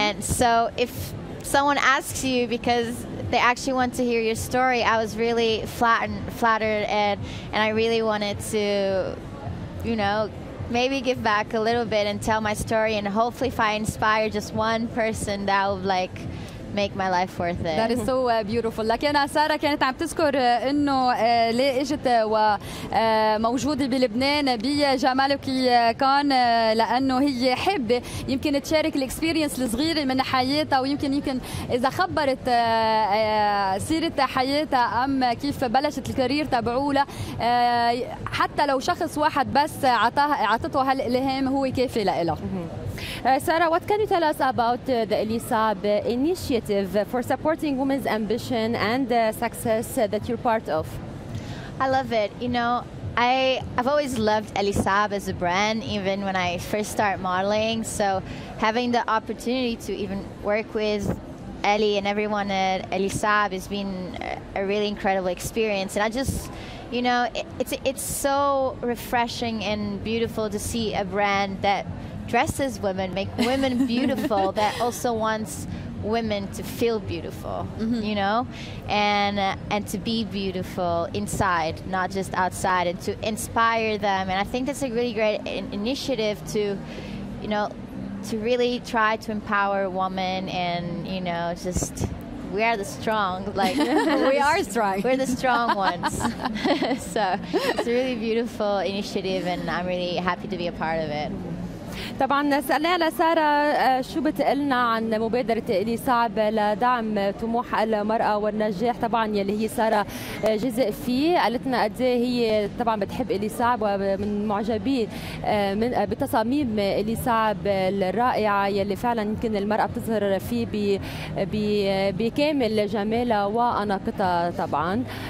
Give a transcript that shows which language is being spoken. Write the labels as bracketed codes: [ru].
[en] And so if someone asks you because they actually want to hear your story, I was really flattered, and I really wanted to, you know, maybe give back a little bit and tell my story, and hopefully if I inspire just one person, that would like make my life worth it. That is so beautiful. [ar] لكن سارة كانت عم تذكر انه ليه اجت وموجودة بلبنان بجمال وكيكان، لانه هي حابة يمكن تشارك الاكسبيرينس الصغيرة من حياتها، ويمكن اذا خبرت سيرة حياتها ام كيف بلشت الكارير تبعولها، حتى لو شخص واحد بس عطته هالالهام هو كافي لإلها. [en] Sarah, what can you tell us about the ELISAB initiative for supporting women's ambition and the success that you're part of? I love it. You know, I've always loved ELISAB as a brand, even when I first started modeling. So having the opportunity to even work with Ellie and everyone at ELISAB has been a really incredible experience. And I just, you know, it's so refreshing and beautiful to see a brand that dresses women, make women beautiful, that also wants women to feel beautiful, mm-hmm. you know, and to be beautiful inside, not just outside, and to inspire them. And I think that's a really great initiative to, you know, to really try to empower women, and, you know, just, we are the strong, like, we are strong. We're the strong ones. So it's a really beautiful initiative, and I'm really happy to be a part of it. [ar] طبعا سألنا لسارة شو بتقلنا عن مبادرة إلي صعب لدعم طموح المرأة والنجاح طبعا يلي هي سارة جزء فيه. قالتنا قد ايه هي طبعا بتحب إلي صعب ومن معجبين من بتصاميم إلي صعب الرائعة يلي فعلا يمكن المرأة بتظهر فيه بكامل جمالها وأناقتها طبعا.